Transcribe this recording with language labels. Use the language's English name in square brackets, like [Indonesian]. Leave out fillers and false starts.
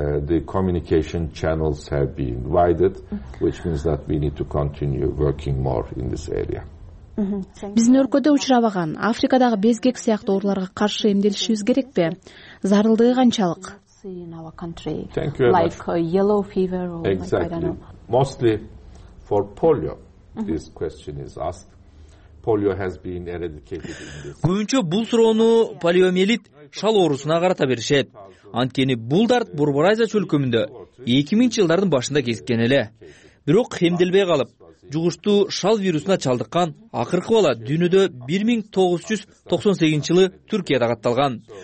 [English] The communication channels have been widened, which means that we need to continue working more in this area. [Kyrgyz] Биздин өлкөдө учурабаган Африкадагы безгек сыяктуу ооруларга каршы эмделишибиз керекпи? Зарылдыгы канчалык? [English] Thank you very much. Like yellow fever or exactly. Like, I don't know. Mostly for polio, this question is asked. Polio has been eradicated in this. [Kyrgyz] Көбүнчө бул суроону полиомиелит шал оорусуна карата беришет. Анткени бул дарт Борбор Азия чөлкөмүндө 2000-жылдардын башында кезиккен эле. Бирок эмделбей калып, жугуштуу шал вирусуна чалдыккан акыркы бала дүйнөдө 1998-жылы Түркияда катталган.